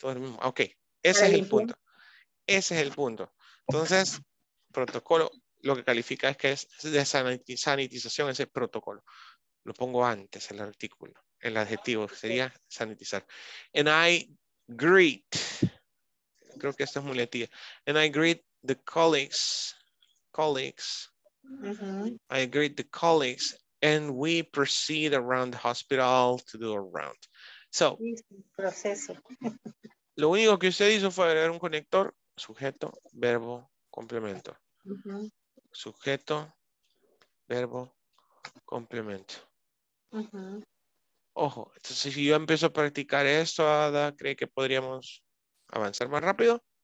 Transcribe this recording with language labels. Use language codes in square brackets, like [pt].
[es] Todo es lo mismo, ok, ese es el punto, ese es el punto. Entonces, protocolo, lo que califica es que es de sanitización ese protocolo. Lo pongo antes el artículo, el adjetivo sería sanitizar. [en] And I greet, [es] creo que esto es muletilla. [en] And I greet the colleagues, I greet the colleagues and we proceed around the hospital to do a round. So, [es] proceso. Lo único que usted hizo fue agregar un conector, sujeto, verbo, complemento. Sujeto, verbo, complemento. Ojo, entonces si yo empiezo a practicar esto, Ada, ¿cree que podríamos avanzar más rápido?